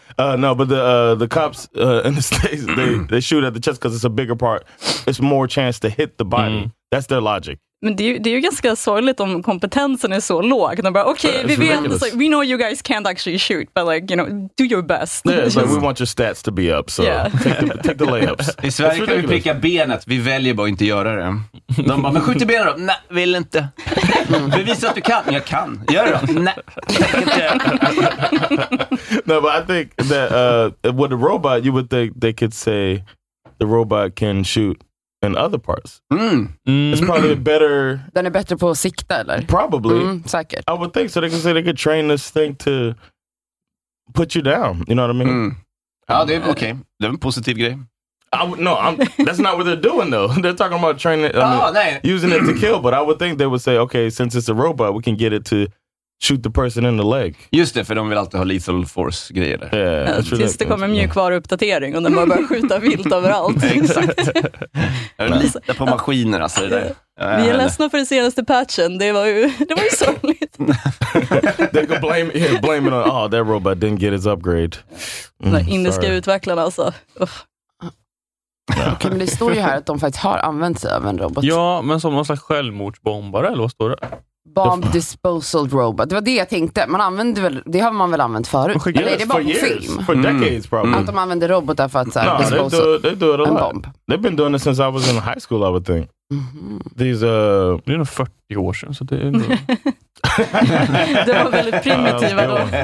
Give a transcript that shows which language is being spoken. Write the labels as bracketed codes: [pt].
[en] No, but the cops in the States, they shoot at the chest because it's a bigger part. It's more chance to hit the body. Mm. That's their logic. [sv] Men det är ju ganska sorgligt om kompetensen är så låg. De bara, okej, okay, vi ridiculous. [en] Vet, like, we know you guys can't actually shoot, but like, you know, do your best. Yeah, like, we want your stats to be up, so yeah. take the layups. [sv] I Sverige kan vi picka benet, vi väljer bara inte göra det. De bara, men skjuter benet då? Nej, vill inte. Bevisa att du kan. Jag kan. Gör det då? Nej. [en] No, but I think that with the robot, you would think they could say the robot can shoot. In other parts. Mm. It's probably better. [sv] Den är bättre på att sikta eller? [en] Probably. [sv] Mm, säkert. [en] I would think so. They can say they could train this thing to put you down. You know what I mean? [sv] Ja, det är okej. Det är en positiv grej. [en] That's not what they're doing though. They're talking about training using it to kill, but I would think they would say okay, since it's a robot, we can get it to shoot the person in the leg. [sv] Just det, för de vill alltid ha [en] lethal force [sv] grejer. [en] Yeah, [sv] tills det kommer mjukvaruuppdatering och de bara skjuta vilt överallt. Exakt. Lita på maskiner alltså. Det där. Vi är ledsna för den senaste patchen. Det var ju sorgligt. [en] They could blame it on, oh, that robot didn't get its upgrade. [sv] Den indiska utvecklarna alltså. Okej, okay, men det står ju här att de faktiskt har använt sig av en robot. Ja, men som någon slags självmordsbombare eller vad står det? [en] Bomb disposal robot. [sv] Det var det jag tänkte. Man använder väl, det har man väl använt förut. Yes, eller är det bara på film? [en] For decades probably. [sv] Att de använder robotar för att så här, no, disposal. [en] They do it a lot. Bomb. They've been doing it since I was in high school, I would think. [sv] Det är nog 40 år sedan, så det är nog... Det var väldigt primitiva då.